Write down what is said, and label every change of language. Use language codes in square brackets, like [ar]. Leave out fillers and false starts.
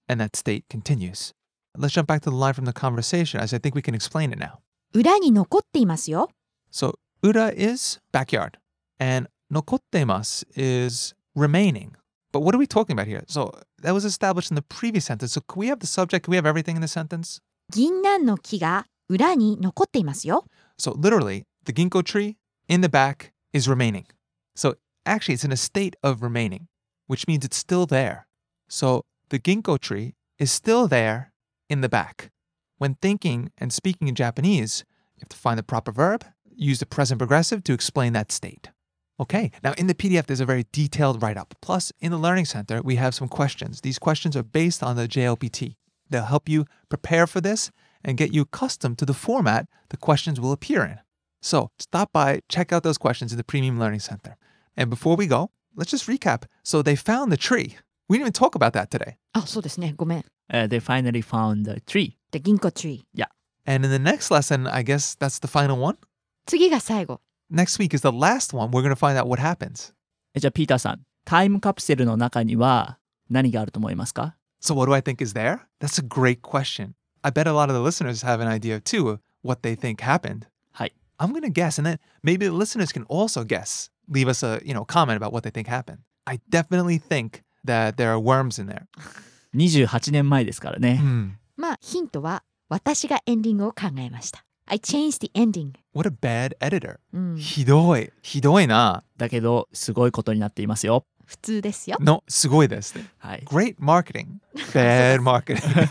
[en] And that state continues. Let's jump back to the line from the conversation, as I think we can explain it now. [ja] 裏に残っていますよ。 [en] So, 裏 is backyard. And 残っています is remaining. But what are we talking about here? So, that was established in the previous sentence. So, can we have the subject? Can we have everything in the sentence? [ja] 銀杏の木が裏に残っていますよ。 [en] So literally, the ginkgo tree in the back is remaining. So actually, it's in a state of remaining, which means it's still there. So the ginkgo tree is still there in the back. When thinking and speaking in Japanese, you have to find the proper verb, use the present progressive to explain that state. Okay, now in the PDF, there's a very detailed write-up. Plus, in the Learning Center, we have some questions. These questions are based on the JLPT. They'll help you prepare for this,and get you accustomed to the format the questions will appear in. So, stop by, check out those questions in the Premium Learning Center. And before we go, let's just recap. So, they found the tree. We didn't even talk about that today. [ja] Oh, そうですね。ごめん。 [en] They finally found the tree. The ginkgo tree. Yeah. And in the next lesson, I guess that's the final one? [ja] 次が最後。 [en] Next week is the last one. We're going to find out what happens. [ja] じゃあ、ピーターさん、タイムカプセルの中には何があると思いますか? [en] So, what do I think is there? That's a great question. I bet a lot of the listeners have an idea, too, of what they think happened. Hi. I'm going to guess, and then maybe the listeners can also guess, leave us a, you know, comment about what they think happened. I definitely think that there are worms in there. [ja] 28年前ですからね。まあ、ヒントは、私がエンディングを考えました。 [en] I changed the ending. What a bad editor. [ja] ひどい。ひどいな。だけど、すごいことになっていますよ。普通ですよ。 No, すごいです。はい。 [en] Great marketing. Bad marketing.